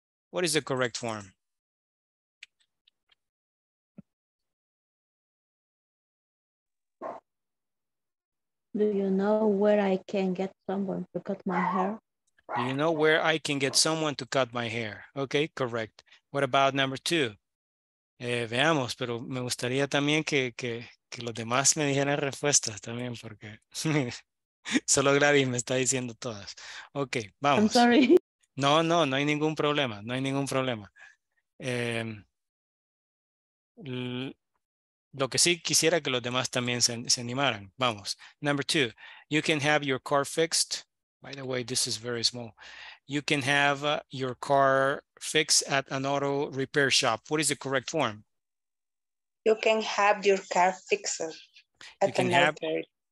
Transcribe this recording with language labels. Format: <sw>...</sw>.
<en>What is the correct form? Do you know where I can get someone to cut my hair? Do you know where I can get someone to cut my hair? Okay, correct. What about number two?</en> <es>Veamos, pero me gustaría también que los demás me dijeran respuestas también, porque solo Gladys me está diciendo todas. Okay, vamos.</es> <en>I'm sorry.</en> <es>No hay ningún problema. No hay ningún problema. Lo que sí quisiera que los demás también se animaran. Vamos.</es> <en>Number two, you can have your car fixed. By the way, this is very small. You can have your car fixed at an auto repair shop. What is the correct form? You can have your car fixed at an auto repair.</en>